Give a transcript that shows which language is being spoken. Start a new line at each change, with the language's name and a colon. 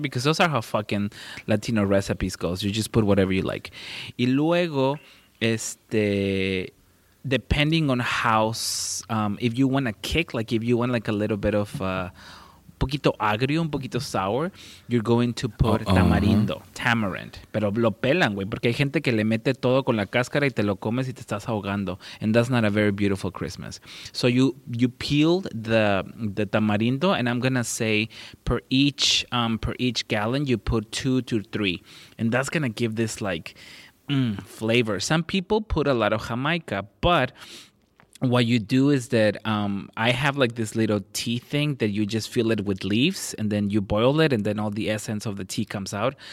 English: Because those are how fucking Latino recipes goes. You just put whatever you like. Y luego, depending on how, if you want a kick, like if you want like a little bit of poquito agrio, un poquito sour, you're going to put tamarindo, tamarind.
Spanish: Pero lo pelan, güey, porque hay gente que le mete todo con la cáscara y te lo comes y te estás ahogando.
English: And that's not a very beautiful Christmas. So you peel the tamarindo, and I'm going to say per each gallon, you put 2 to 3. And that's going to give this, like, flavor. Some people put a lot of Jamaica, but what you do is that I have like this little tea thing that you just fill it with leaves and then you boil it and then all the essence of the tea comes out.